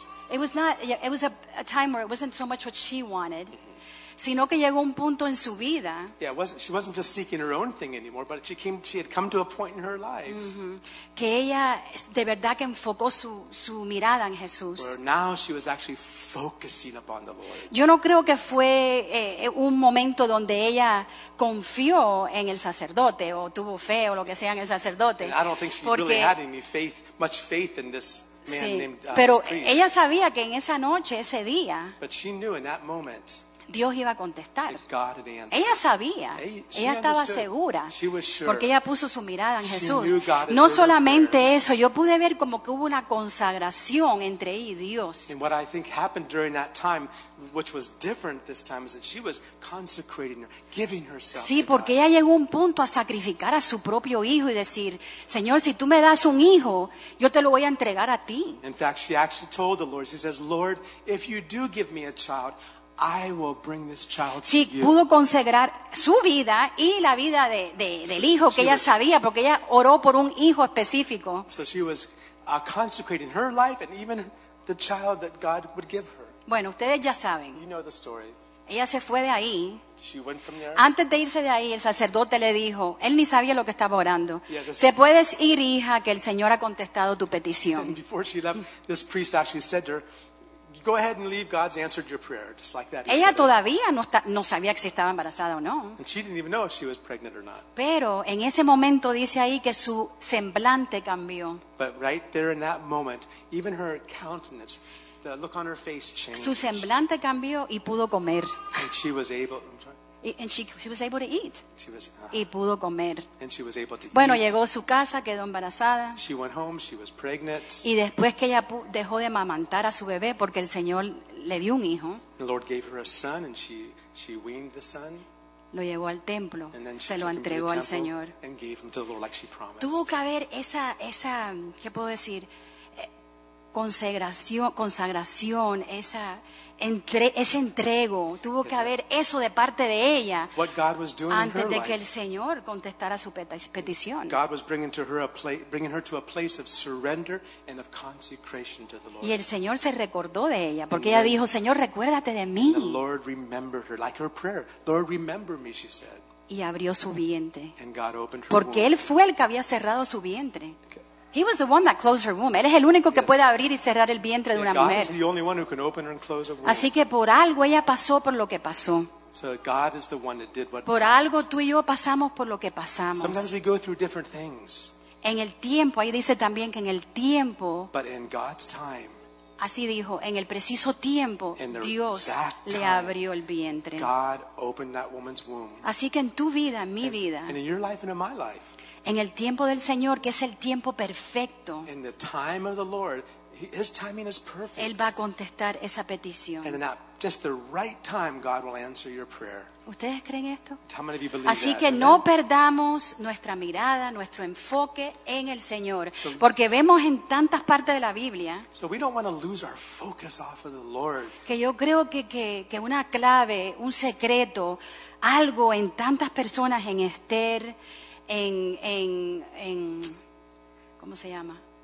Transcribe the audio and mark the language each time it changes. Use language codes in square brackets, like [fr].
[en] It was a time where it wasn't so much what she wanted, [es] sino que llegó un punto en su vida. [en] Yeah, she wasn't just seeking her own thing anymore, but she had come to a point in her life. Mm-hmm. [es] Que ella de verdad que enfocó su mirada en Jesús. [en] Where now she was actually focusing upon the Lord. [es] Yo no creo que fue un momento donde ella confió en el sacerdote o tuvo fe o lo que sea en el sacerdote. [en] And I don't think she really had any faith, much faith in this. Man [es] sí, [en] named, [es] pero ella sabía que en esa noche, ese día, [en] but she knew in that moment, [es] Dios iba a contestar. Ella sabía, ella estaba segura, porque ella puso su mirada en Jesús. No solamente eso, yo pude ver como que hubo una consagración entre ella y Dios. [en] And what I think happened during that time, which was different this time, is that she was consecrating her, giving herself. [es] Sí, porque ella llegó a un punto a sacrificar a su propio hijo y decir, Señor, si tú me das un hijo, yo te lo voy a entregar a ti. [en] In fact, she actually told the Lord, she says, "Lord, if you do give me a child, I will bring this child to [es] sí, [en] you." [es] Pudo consagrar su vida y la vida del hijo que ella sabía, porque ella oró por un hijo específico. [en] So she was consecrating her life and even the child that God would give her. [es] Bueno, ustedes ya saben. [en] You know the story. [es] Ella se fue de ahí. [en] She went from there. [es] Antes de irse de ahí, el sacerdote le dijo, él ni sabía lo que estaba orando. [en] Yeah, [es] te puedes ir, hija, que el Señor ha contestado tu petición. [en] And before she left, this priest actually said to her, "Go ahead and leave. God's answered your prayer," just like that. [es] Ella todavía no sabía que si estaba embarazada o no. [en] And she didn't even know if she was pregnant or not. [es] Pero en ese momento dice ahí que su semblante cambió. [en] But right there in that moment, even her countenance, the look on her face changed. [es] Su semblante cambió y pudo comer. [en] And she was able. And she was able to eat. She was, [es] y pudo comer. [en] And she was able to [es] bueno, [en] eat. [es] Llegó a su casa, quedó embarazada. [en] She went home, she was pregnant. [es] Y después que ella dejó de mamantar a su bebé porque el Señor le dio un hijo. [en] The Lord gave her a son and she weaned the son. [es] Lo llevó al templo. [en] And then [es] se lo entregó al Señor. [en] And gave him to the Lord like she promised. [es] Tuvo que haber esa ¿qué puedo decir? Consagración, esa ese entrego tuvo que haber eso de parte de ella antes de que el Señor contestara su petición. [en] God was bringing to her a place of surrender and of consecration to the Lord. [es] Y el Señor se recordó de ella porque ella dijo, "Señor, recuérdate de mí." [en] The Lord remembered her, like her prayer. "Lord, remember me," she said. [es] Y abrió su vientre. [en] And God opened her womb. [es] Porque él fue el que había cerrado su vientre. [en] He was the one that closed her womb. [es] Él es el único que puede abrir y cerrar el vientre de una mujer. [en] God is the only one who can open and close a womb. [es] Así que por algo ella pasó por lo que pasó. [en] So God is the one that did what. [es] Por algo tú y yo pasamos por lo que pasamos. [en] Sometimes we go through different things. [es] En el tiempo, ahí dice también que en el tiempo. [en] But in God's time. [es] Así dijo, en el preciso tiempo, Dios le abrió el vientre. [en] God opened that woman's womb. [es] Así que en tu vida, en mi vida. [en] And in your life and in my life. [es] En el tiempo del Señor, que es el tiempo perfecto. [en] In the time of the Lord, His timing is perfect. [es] Él va a contestar esa petición. [en] And in that, just the right time, God will answer your prayer. [es] ¿Ustedes creen esto? [en] How many of you believe that? [es] Así que no perdamos nuestra mirada, nuestro enfoque en el Señor, porque vemos en tantas partes de la Biblia. [en] So we don't want to lose our focus off of the Lord. [es] Que yo creo que una clave, un secreto, algo en tantas personas, en Esther, en ¿cómo se llama?